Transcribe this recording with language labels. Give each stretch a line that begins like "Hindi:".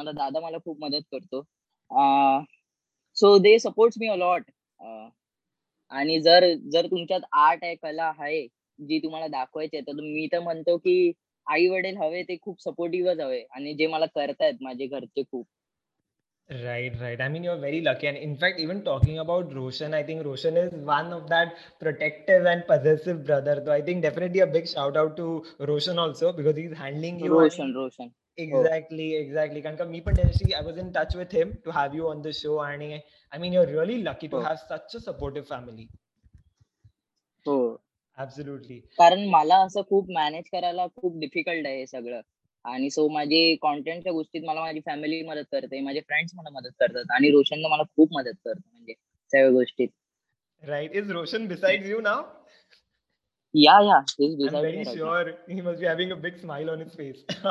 Marathi: मला दादा मला खूप मदत करतो,
English: So they supports me a lot.
Marathi: आणि जर जर तुमच्यात आर्ट आहे, कला आहे जी तुम्हाला दाखवायची आहे, तर मी तर म्हणतो की आई वडील हवे ते खूप सपोर्टिव्हच हवे आणि जे मला करतायत माझे घरचे खूप.
English: Right, right. I mean, you're very lucky. And in fact, even talking about Roshan, I think Roshan is one of that protective and possessive brother. So I think definitely a big shout out to Roshan also because he's handling you. Roshan. Exactly, oh. Exactly. Kanka, me potentially, I was in touch with him to have you on the show. And I mean, you're really lucky to have such a supportive family. Oh. Absolutely.
Marathi: Karan, mala asa khub manage karala khub difficult hai sagla. आणि so माझी कॉन्टेंटच्या गोष्टीत मला माझी family मदत करते, माझे friends मला मदत करतात आणि रोशन मला खूप मदत करतो म्हणजे सगळ्या गोष्टीत.
English: Right. Is Roshan beside you now? Yeah is beside. I am very sure he must be having a big smile on his face.